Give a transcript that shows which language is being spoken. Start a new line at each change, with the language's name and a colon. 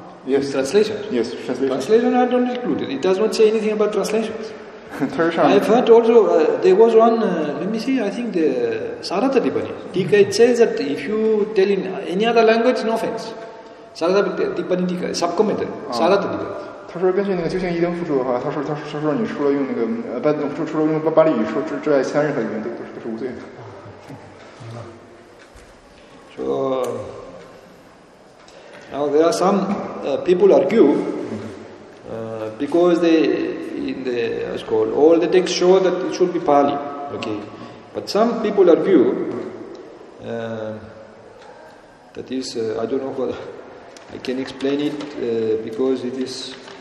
English: Yes. Translation? Yes, translation. Translation, I don't include it. It does not say anything about translations. I've heard also, there was one, let me see, I think the Sarada Dipani. Dika, it says that if you tell in any other language, no offense. Sarada Dipani Dika, sub-commented, Sarada Dipani.
Chinese: 他说：“根据那个究竟一灯复述的话，他说你除了用那个除了用巴利语说之外，其他任何语言都是无罪的。”
English: 说 ，Now there are some people argue because they in the as called all the texts show that it should be Pali, okay, but some people argue that is I don't know how I can explain it because it is.